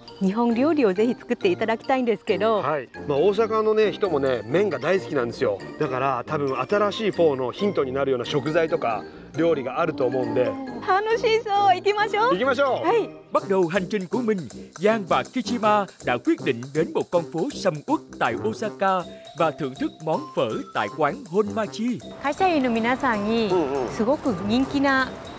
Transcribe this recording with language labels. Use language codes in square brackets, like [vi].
[ja] 日本料理をぜひ作っていただきたいんですけど、はい。まあ、大阪のね、人もね、麺が大好きなんですよ。だから、多分新しいフォーのヒントになるような食材とか料理があると思うんで。楽しそう。行きましょう。行きましょう。 [vi] Bắt đầu hành trình của mình, Giang và Kichima đã quyết định đến một con phố sầm uất tại Osaka và thưởng thức món phở tại quán Honmachi. [ja] 会社員の皆さんにすごく人気な